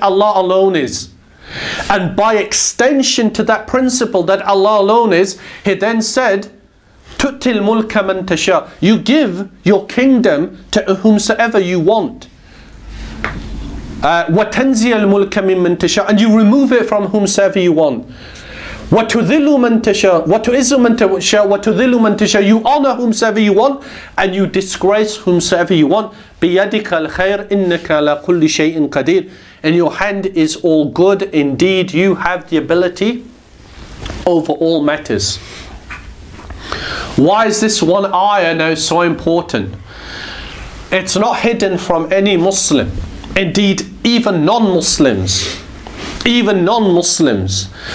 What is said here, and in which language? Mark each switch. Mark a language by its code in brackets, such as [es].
[en] Allah alone is. And by extension to that principle that Allah alone is, He then said, [ar] تُؤْتِ الْمُلْكَ مَنْ تَشَاءُ, [en] you give your kingdom to whomsoever you want. [ar] وَتَنْزِيَ الْمُلْكَ مِنْ مَنْ تَشَاءُ, [en] and you remove it from whomsoever you want. [ar] وَتُذِلُّ مَنْ تَشَاءُ, وَتُعِزُّ مَنْ تَشَاءُ, [en] وَتُذِلُّ مَنْ تَشَاءُ, you honor whomsoever you want, and you disgrace whomsoever you want. [ar] بِيَدِكَ الْخَيْرِ إِنَّكَ عَلَىٰ كُلِّ شَيْءٍ قَدِيرٍ, [en] and your hand is all good. Indeed, you have the ability over all matters. Why is this one ayah now so important? It's not hidden from any Muslim. Indeed, even non-Muslims, even non-Muslims.